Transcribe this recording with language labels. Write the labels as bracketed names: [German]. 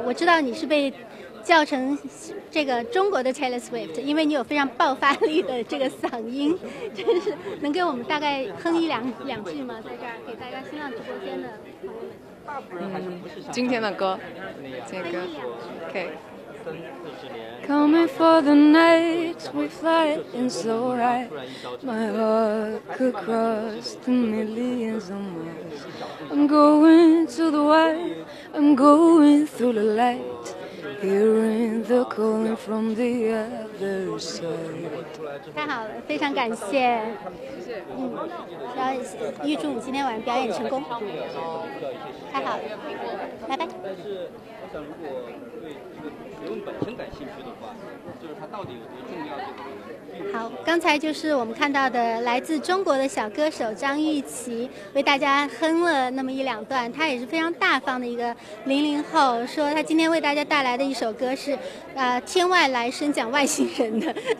[Chinese] 我知道你是被叫成这个中国的 Taylor Swift， 因为你有非常爆发力的这个嗓音，真是能给我们大概哼一两句吗？在这儿给大家新浪直播间的朋友们。今天的歌，这个 [English] OK。 Call me for the night, we fly in so high. My heart could cross the millions of miles. I'm going to the white, I'm going through the light, hearing the calling from the other side. [Chinese] 太好了，非常感谢。谢谢。然后预祝你今天晚上表演成功。太好了，拜拜。好，刚才就是我们看到的来自中国的小歌手张玉琪为大家哼了那么一两段，他也是非常大方的一个00后，说他今天为大家带来的一首歌是天外来生讲外星人的。